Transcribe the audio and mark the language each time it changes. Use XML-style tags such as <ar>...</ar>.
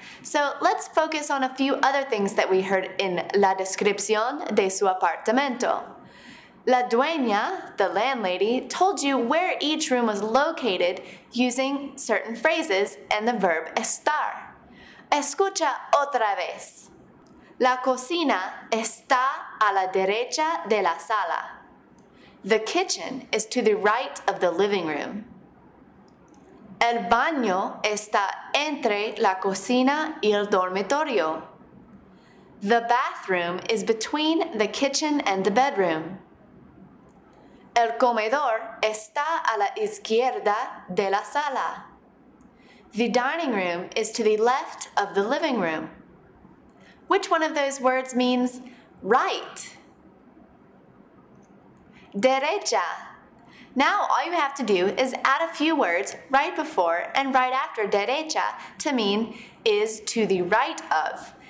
<en>So let's focus on a few other things that we heard in</en> <es>la descripción de su apartamento. La dueña,</es> <en>the landlady, told you where each room was located using certain phrases and the verb estar.</en> <es>Escucha otra vez. La cocina está a la derecha de la sala.</es> <en>The kitchen is to the right of the living room.</en> <es>El baño está entre la cocina y el dormitorio.</es> <en>The bathroom is between the kitchen and the bedroom.</en> <es>El comedor está a la izquierda de la sala.</es> <en>The dining room is to the left of the living room. Which one of those words means right? Derecha. Now all you have to do is add a few words right before and right after derecha to mean is to the right of.</en>